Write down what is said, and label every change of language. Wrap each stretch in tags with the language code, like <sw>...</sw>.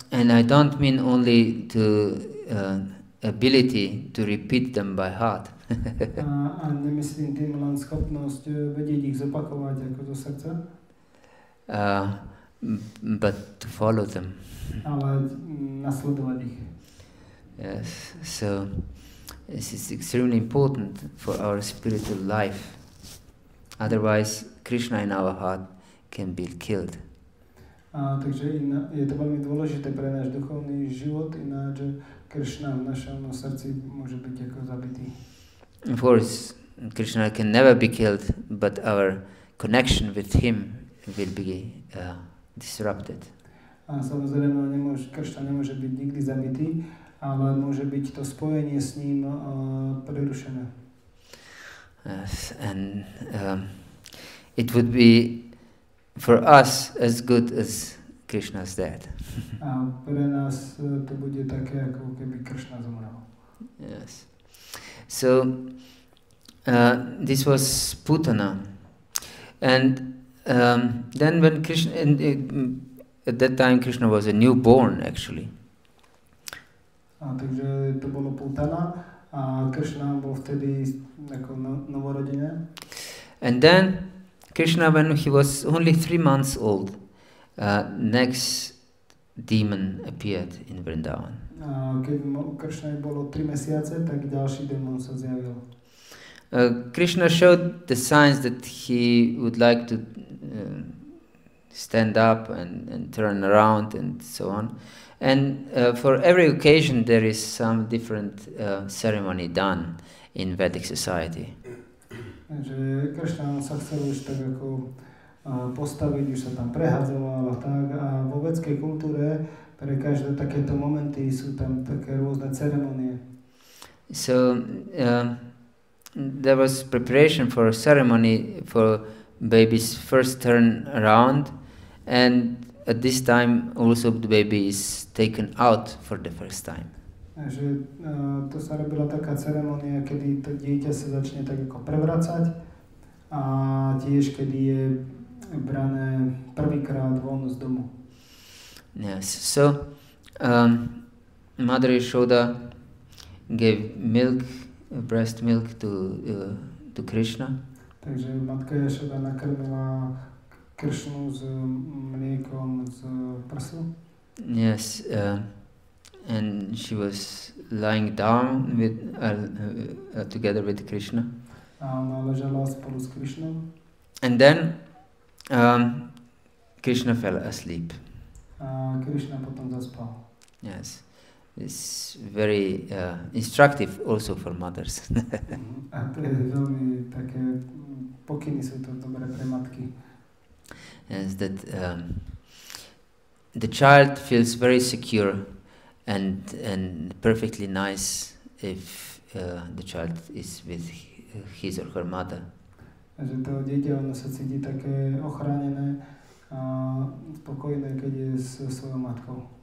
<en>And I don't mean only to ability to repeat them by heart.</en> <sk>A nemyslím tým len schopnosť vedieť ich zopakovať ako do srdca.</sk> <en>But to follow them.</en> <sk>Ale nasledovať ich.</sk> <en>Yes, so this is extremely important for our spiritual life. Otherwise, Krishna in our heart can be killed.</en> <sk>Takže je to veľmi dôležité pre náš duchovný život, ináč Krishna v našom srdci môže byť ako zabitý.</sk> <en>Of course, Krishna can never be killed, but our connection with him will be disrupted.</en> <sk>A samozrejme, Krishna nemôže byť nikdy zabitý, ale môže byť to spojenie s ním prerušené.</sk> <en>Yes, and it would be for us as good as Krishna's death.</en> <sk>A pre nás to bude také, ako keby Krishna zomrel.</sk> <en>Yes. So, this was Putana. And then when Krishna, at that time Krishna was a newborn, actually.</en> <sk>A takže to bolo Putana. Krishna bol vtedy ako novorodené.</sk> <en>And then Krishna, when he was only 3 months old, next demon appeared in Vrindavan.</en> <sk>Keď Krishna bolo 3 mesiace, tak ďalší demon sa zjavil.</sk> <en>Krishna showed the signs that he would like to stand up and turn around and so on. And for every occasion there is some different ceremony done in Vedic society.</en> <sk>Takže Krishna sa chcel už tak ako postaviť, už sa tam prehádzoval a tak. A vo vedskej kultúre pre každé takéto momenty sú tam také rôzne ceremonie.</sk> <en>So there was preparation for a ceremony for baby's first turn around, and at this time also the baby is taken out for the first time.</en> <sk>Takže to sa robila taká ceremonia, kedy to dieťa sa začne tak ako prevracať a tiež kedy je brané prvýkrát von z domu.</sk> <en>Yes. So Mother Yashoda gave milk, breast milk to Krishna.</en> <sk>Takže matka Yashoda nakrmila Krishnu s mliekom z prsu.</sk> <en>Yes. And she was lying down with together with Krishna.</en> <sk>Ona ležala spolu s Krishnou.</sk> <en>And then Krishna fell asleep.</en> <sk>Krishna potom zaspal.</sk> <en>Yes. It's very instructive also for mothers.</en> <sk>A to je také pokyny sú to dobré pre matky.</sk> <en>Yes, that the child feels very secure and perfectly nice if the child is with his or her mother.</en> <sk>Že to dieťa, ono sa cíti také ochránené a spokojné, keď je so svojou matkou.</sk>